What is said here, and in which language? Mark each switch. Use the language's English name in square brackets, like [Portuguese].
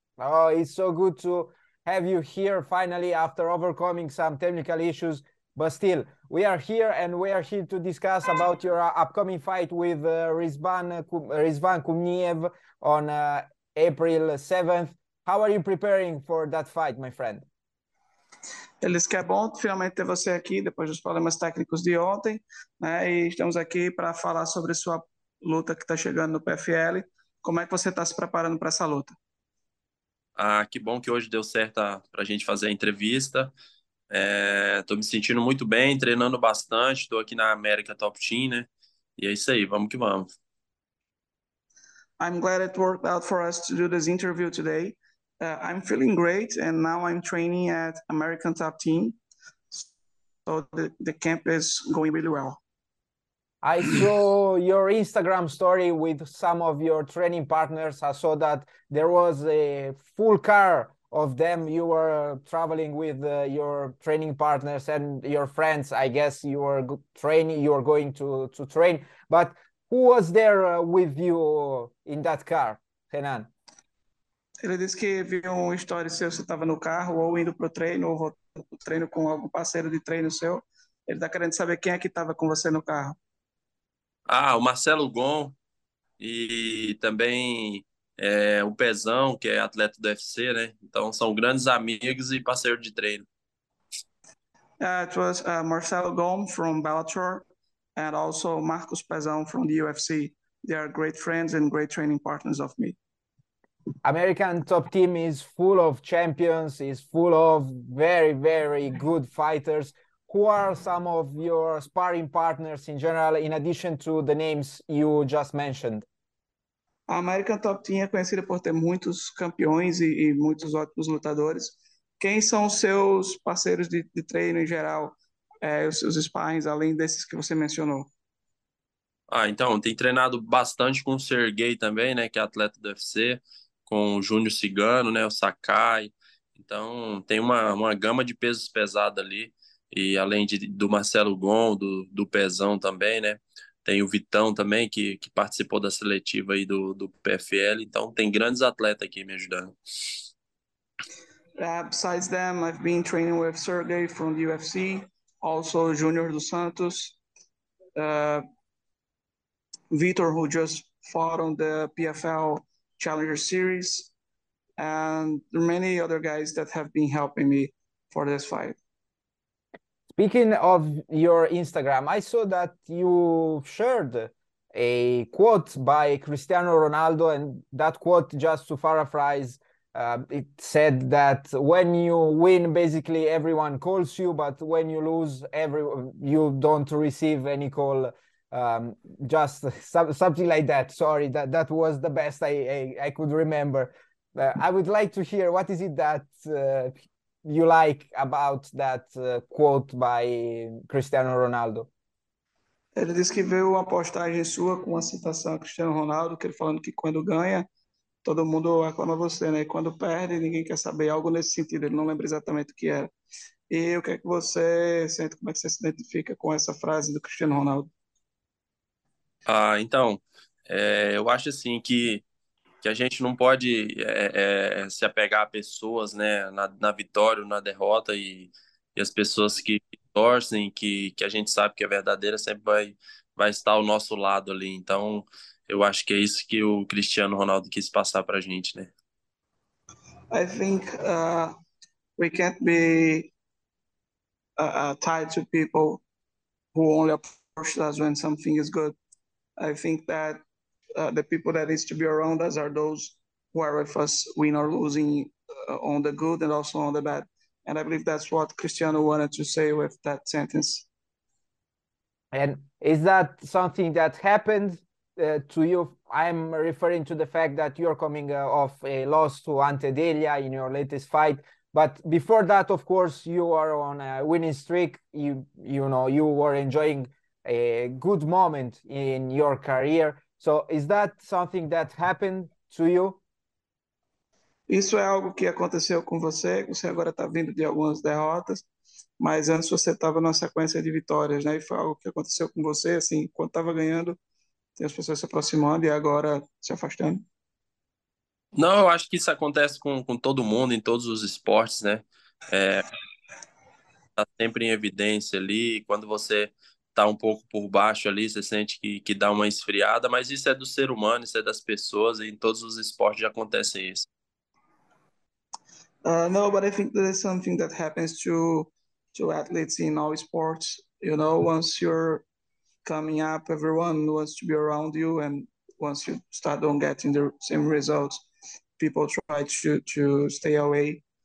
[English] Oh, it's so good to have you here finally after overcoming some technical issues. But still, we are here and we are here to discuss about your upcoming fight with Rizvan Kuniev on April 7th. How are you preparing for that fight, my friend? [Portuguese] Eles que é bom finalmente ter você aqui depois dos problemas técnicos de ontem, né? E estamos aqui para falar sobre sua luta que está chegando no PFL. Como é que você está se preparando para essa luta? Ah, que bom que hoje deu certo para a gente fazer a entrevista. Estou me sentindo muito bem, treinando bastante. Estou aqui na América Top Team, né? E é isso aí, vamos que vamos. [English] I'm glad it worked out for us to do this interview today. I'm feeling great, and now I'm training at American Top Team, so the camp is going really well. I saw your Instagram story with some of your training partners. I saw that there was a full car of them. You were traveling with your training partners and your friends. I guess you were training. You were going to train. But who was there with you in that car, Renan? [Portuguese] Ele disse que viu um story seu, você estava no carro ou indo para o treino ou voltando para o treino com algum parceiro de treino seu. Ele está querendo saber quem é que estava com você no carro. Ah, o Marcelo Gon e também o Pezão, que é atleta do UFC, né? Então, são grandes amigos e parceiros de treino. [English] It was Marcelo Gon from Bellator and also Marcos Pezão from the UFC. They are great friends and great training partners of me. American Top Team is full of champions, is full of very, very good fighters. Who are some of your sparring partners in general, in addition to the names you just mentioned? [Portuguese] A American Top Team é conhecida por ter muitos campeões e muitos ótimos lutadores. Quem são os seus parceiros de treino em geral, os seus sparrings, além desses que você mencionou? Ah, então, tem treinado bastante com o Sergey também, né, que é atleta do UFC. Com o Júnior Cigano, né, o Sakai. Então, tem uma gama de pesos pesados ali. E além do Marcelo Gon, do Pezão também, né? Tem o Vitão também, que participou da seletiva aí do PFL. Então, tem grandes atletas aqui me ajudando. [English] Besides them, I've been training with Sergey from the UFC, also Junior dos Santos, Vitor, who just fought on the PFL Challenger Series, and many other guys that have been helping me for this fight. Speaking of your Instagram, I saw that you shared a quote by Cristiano Ronaldo, and that quote, just to paraphrase, it said that when you win, basically everyone calls you, but when you lose, you don't receive any call. Just something like that. Sorry, that was the best I could remember. I would like to hear, what is it that you like about that quote by Cristiano Ronaldo? [Portuguese] Ele disse que veio uma postagem sua com uma citação a Cristiano Ronaldo, que ele falando que quando ganha, todo mundo aclama você, né? E quando perde, ninguém quer saber, algo nesse sentido. Ele não lembra exatamente o que era. E o que é que você sente, como é que você se identifica com essa frase do Cristiano Ronaldo? Ah, então, eu acho assim que a gente não pode se apegar a pessoas, né, na vitória ou na derrota, e as pessoas que torcem, que a gente sabe que é verdadeira, sempre vai estar ao nosso lado ali. Então, eu acho que é isso que o Cristiano Ronaldo quis passar para a gente, né? [English] I think we can't be tied to people who only approach us when something is good. I think that the people that needs to be around us are those who are with us, win or losing, on the good and also on the bad. And I believe that's what Cristiano wanted to say with that sentence. And is that something that happened to you? I'm referring to the fact that you're coming off a loss to Ante Delia in your latest fight. But before that, of course, you are on a winning streak. You know, you were enjoying a good moment in your career. So is that something that happened to you? [Portuguese] Isso é algo que aconteceu com você, você agora está vindo de algumas derrotas, mas antes você estava numa sequência de vitórias, né? E foi algo que aconteceu com você, assim, quando estava ganhando, tem as pessoas se aproximando e agora se afastando. Não, eu acho que isso acontece com todo mundo, em todos os esportes, né? Tá sempre em evidência ali. Quando você tá um pouco por baixo ali, você sente que dá uma esfriada, mas isso é do ser humano, isso é das pessoas, em todos os esportes já acontece isso. [English] No, but I think that is something that happens to athletes in all sports. You know, once you're coming up, everyone wants to be around you, and once you start on getting the same results, people try to stay away.